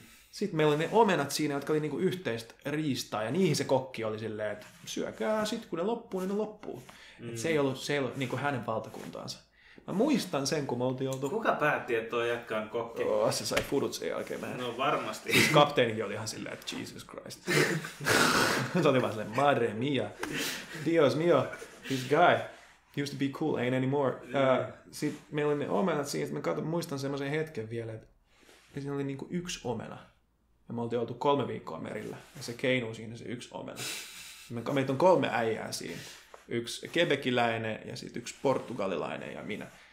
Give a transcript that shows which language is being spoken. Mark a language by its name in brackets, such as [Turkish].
[Finnish] Sitten meillä oli ne omenat siinä, jotka oli niinku yhteistä riistaa, ja niihin se kokki oli silleen, että syökää, sitten kun ne loppuu, niin ne loppuu. Se ei ollut niinku hänen valtakuntaansa. Mä muistan sen, kun me oltiin oltu... Kuka päätti, että toi jätkä on kokki? Joo, se sai furut sen jälkeen mehän. No varmasti. Kapteenikin oli ihan silleen, että [English] Jesus Christ. [Finnish] Se oli vaan silleen, [Spanish] madre mia. Dios mio, [English] this guy used to be cool, ain't anymore. [Finnish] Sitten meillä oli ne omenat siinä, että mä muistan semmoisen hetken vielä, että siinä oli niinku yksi omena. Ja me oltiin oltu 3 viikkoa merillä. Ja se keinuu siinä se yksi omena. Meitä on 3 äijää siinä. Yksi kebekiläinen ja sitten yksi portugalilainen ja minä.